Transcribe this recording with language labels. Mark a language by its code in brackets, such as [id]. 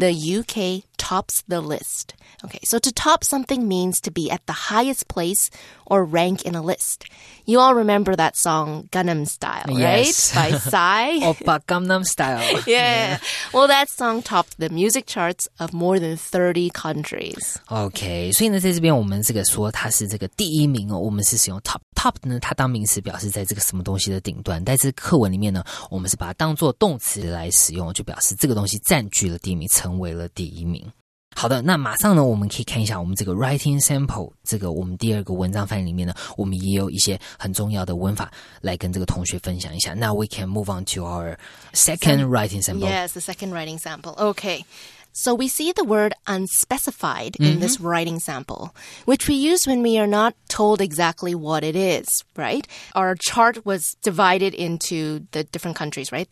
[en] the UK tops the list. Okay, so to top something means to be at the highest place or rank in a list. You all remember that song, Gangnam Style, right? Yes. By Psy. Oppa Gangnam Style. Yeah. Yeah. Well, that song topped the music charts of more than 30 countries. [zh] Okay, 所以呢，在这边我们这个说它是这个第一名哦，我们是使用 top。 Top 呢，它当名词表示在这个什么东西的顶端，但是课文里面呢，我们是把它当作动词来使用，就表示这个东西占据了第一名，成为了第一名。好的，那马上呢，我们可以看一下我们这个 [en] writing sample [zh] 这个我们第二个文章范例里面呢，我们也有一些很重要的文法来跟这个同学分享一下。 [en] Now we can move on to our second writing sample. Yes, the second writing sample. Okay. So we see the word unspecified in this writing sample, which we use when we are not told exactly what it is, right? Our chart was divided into the different countries, right?